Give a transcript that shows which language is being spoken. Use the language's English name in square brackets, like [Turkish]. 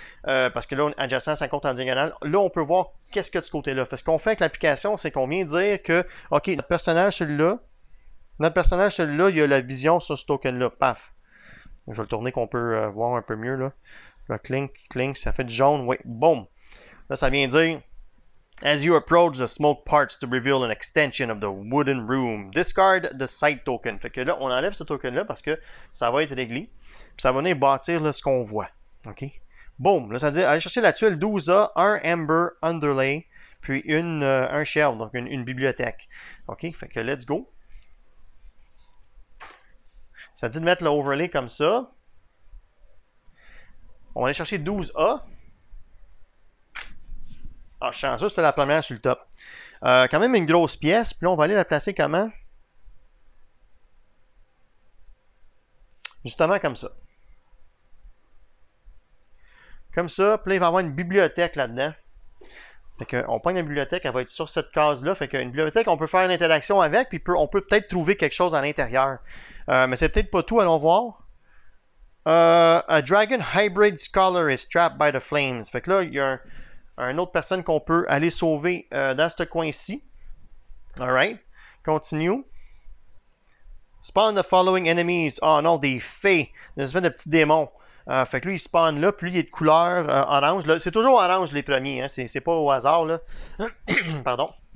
[French] Parce que là, on, adjacent, ça compte en diagonale. Là, on peut voir qu'est-ce que de ce côté-là. Fait, ce qu'on fait avec l'application, c'est qu'on vient dire que, OK, notre personnage, celui-là, il a la vision sur ce token-là. Paf! Je vais le tourner qu'on peut voir un peu mieux, là. Le clink, clink, ça fait du jaune. Oui, boom! Là, ça vient dire... [English] As you approach, the smoke parts to reveal an extension of the wooden room. Discard the sight token. [French] Fait que là, on enlève ce token-là parce que ça va être réglé. Puis ça va venir bâtir là, ce qu'on voit. OK? Boom! Là, ça veut dire, allez chercher la tuile 12A, un Ember Underlay, puis un shell, donc une bibliothèque. OK? Fait que [English] let's go. [French] Ça dit de mettre l'overlay comme ça. On va aller chercher 12A. Ah, chanceux, c'est la première sur le top. Quand même une grosse pièce. Puis là, on va aller la placer comment? Justement, comme ça. Comme ça. Puis là, il va y avoir une bibliothèque là-dedans. Fait qu'on prend une bibliothèque, elle va être sur cette case-là. Fait qu'une bibliothèque, on peut faire une interaction avec. Puis on peut peut-être trouver quelque chose à l'intérieur. Mais c'est peut-être pas tout, allons voir. [English] A dragon hybrid scholar is trapped by the flames. [French] Fait que là, il y a un... Une autre personne qu'on peut aller sauver dans ce coin-ci. [English] Alright. Continue. Spawn the following enemies. [French] Oh non, des fées. Une espèce de petits démons. Fait que lui, il spawn là. Puis lui, il est de couleur orange. Là, c'est toujours orange les premiers. Hein. C'est pas au hasard. Là. Pardon.